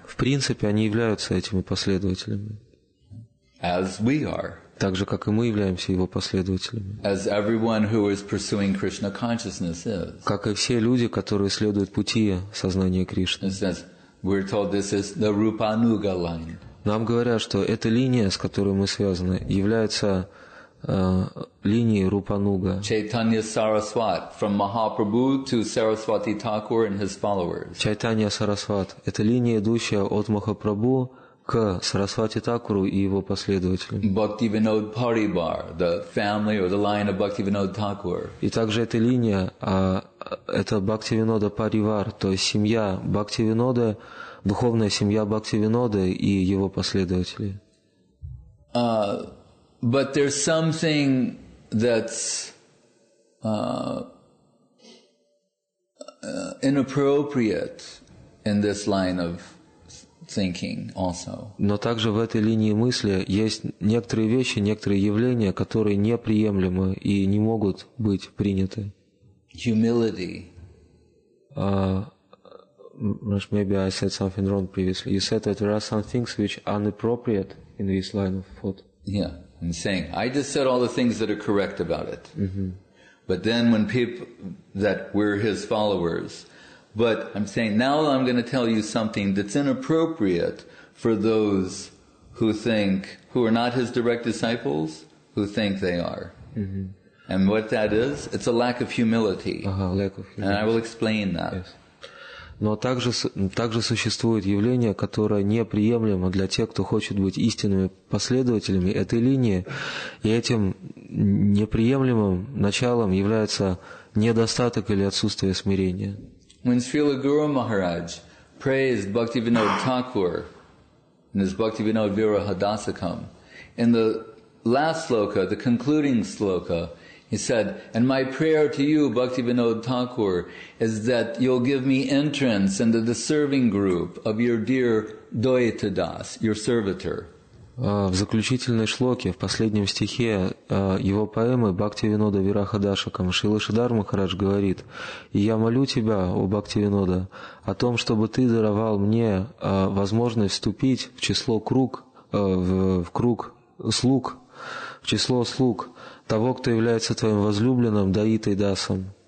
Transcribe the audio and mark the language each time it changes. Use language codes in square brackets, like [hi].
[ru] В принципе, они являются этими последователями. [en] As we are. [ru] Так же, как и мы являемся его последователями. [en] As everyone who is pursuing Krishna consciousness is. [ru] Как и все люди, которые следуют пути сознания Кришны. [en] It says, we're told this is the Rupanuga line. [ru] Нам говорят, что эта линия, с которой мы связаны, является линией Рупануга. [en] Chaitanya Saraswat, from Mahaprabhu to Saraswati Thakur and his followers. [ru] Chaitanya Saraswat – это линия, идущая от Махапрабху к Сарасвати Такуру и его последователям. [en] Бхактивинод Парибар, the family or the line of Бхактивинод Такур. [ru] И также эта линия, это Бхактивинода Паривар, то есть семья Бхактивинода, духовная семья Бхактивинода и его последователей. [en] But there's something that's inappropriate in this line of thinking also. [ru] Но также в этой линии мысли есть некоторые вещи, некоторые явления, которые неприемлемы и не могут быть приняты. [en] Humility. Maybe I said something wrong previously. You said that there are some things which are inappropriate in this line of thought. Yeah, I'm saying I just said all the things that are correct about it. Mm-hmm. But then when people that we're his followers. But I'm saying, now I'm going to tell you something that's inappropriate for those who think, who are not his direct disciples, who think they are. Mm-hmm. And what that is, it's a lack of humility. Uh-huh, lack of humility. And I will explain that. Yes. [ru] Но также существует явление, которое неприемлемо для тех, кто хочет быть истинными последователями этой линии. И этим неприемлемым началом является недостаток или отсутствие смирения. [en] When Srila Guru Maharaj praised Bhaktivinoda Thakur in his Bhaktivinoda Viraha Dasakam, in the last sloka, the concluding sloka, he said, "And my prayer to you, Bhaktivinoda Thakur, is that you'll give me entrance into the serving group of your dear Doita Das, your servitor." [ru] В заключительной шлоке, в последнем стихе его поэмы «Бхактивинода Вираха Дашакам» Шрила Шридхар Махарадж говорит: «И я молю тебя, о Бхактивинода, о том, чтобы ты даровал мне возможность вступить в число круг, в круг слуг, в число слуг того, кто является твоим возлюбленным, Даитой Дасом».